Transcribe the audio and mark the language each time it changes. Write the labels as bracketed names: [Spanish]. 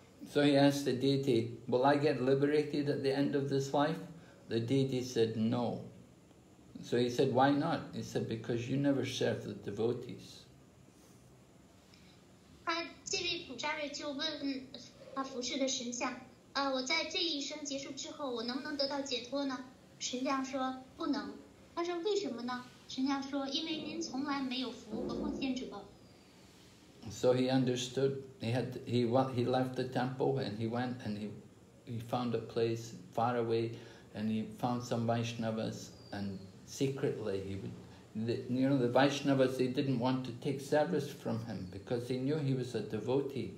[English] So he asked the deity, will I get liberated at the end of this life? The deity said no. So he said, why not? He said, because you never serve the devotees. [Chinese] 这位普扎瑞就问他服侍的神像，我在这一生结束之后，我能不能得到解脱呢？神像说不能。他说为什么呢？神像说因为您从来没有服务过奉献者。 [English] So he understood. He left the temple and he went and he found a place far away and he found some Vaishnavas and secretly he would. The Vaishnavas, they didn't want to take service from him because they knew he was a devotee.